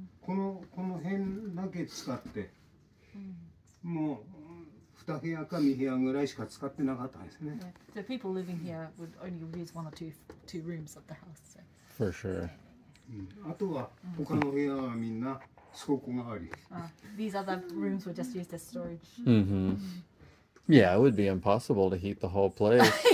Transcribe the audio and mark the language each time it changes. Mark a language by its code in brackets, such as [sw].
[ja] この辺だけ使って、もう2部屋か2部屋ぐらいしか使ってなかったんですね。 [en] So people living here would only use one or two rooms of the house. So. For sure. [ja] あとは他の部屋はみんな倉庫があり。 [en] These other rooms were just used as storage. Yeah, it would be impossible to heat the whole place.